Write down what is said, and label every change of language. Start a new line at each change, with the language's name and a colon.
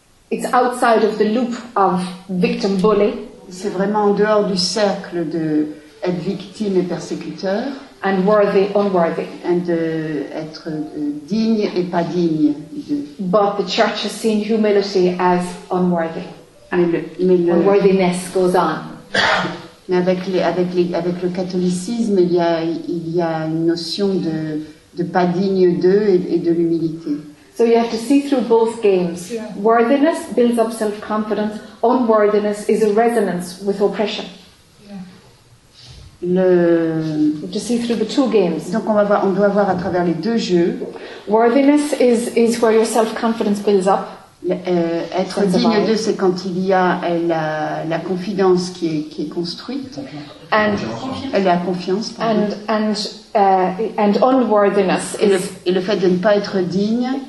English: It's outside of the loop of victim bully.
French: C'est vraiment en dehors du cercle de être victime et persécuteur.
English: And worthy, unworthy.
French: And être digne et pas digne de.
English: But the church has seen humility as unworthy. Unworthiness goes on.
French: Mais avec le catholicisme, il y a une notion de pas digne d'eux et de l'humilité.
English: So you have to see through both games. Yeah. Worthiness builds up self-confidence. Unworthiness is a resonance with oppression. Yeah. To see through the two games.
French: Donc on doit voir à travers les deux jeux.
English: Worthiness is where your self-confidence builds up.
French: Être digne d'eux, c'est quand il y a la confiance qui est construite.
English: And
French: la confiance.
English: And unworthiness is.
French: Et le fait de ne pas être digne.